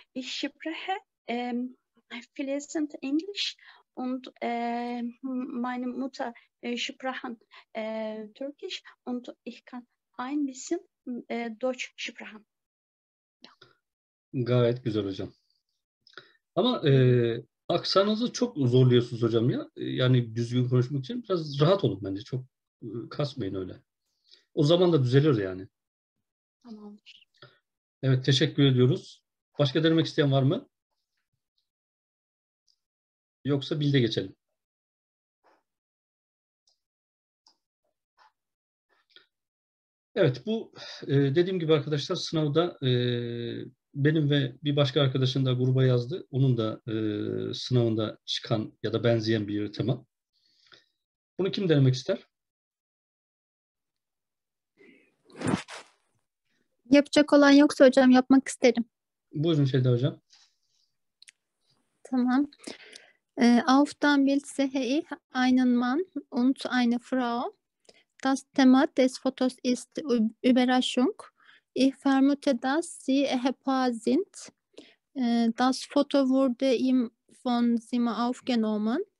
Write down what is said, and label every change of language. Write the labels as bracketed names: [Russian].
[German] Ich spreche fließend Englisch und meine Mutter spricht Türkisch und ich kann ein bisschen Deutsch sprechen. [Turkish] Gayet güzel hocam. Ama aksanınızı çok zorluyorsunuz hocam ya. Yani düzgün konuşmak için biraz rahat olun bence. Çok kasmayın öyle. O zaman da düzelir yani. Tamamdır. Evet, teşekkür ediyoruz. Başka denemek isteyen var mı? Yoksa Bilde geçelim. Evet, bu dediğim gibi arkadaşlar sınavda benim ve bir başka arkadaşım da gruba yazdı. Onun da sınavında çıkan ya da benzeyen bir tema. Bunu kim denemek ister? Yapacak olan yoksa hocam yapmak isterim. Buyurun Şeyda hocam. Tamam. [German] Auf dem Bild sehe ich einen Mann und eine Frau. Das Thema des Fotos ist Überraschung. Ich vermute, dass sie Ehepaar sind. Das Foto wurde ihm von Zimmer aufgenommen.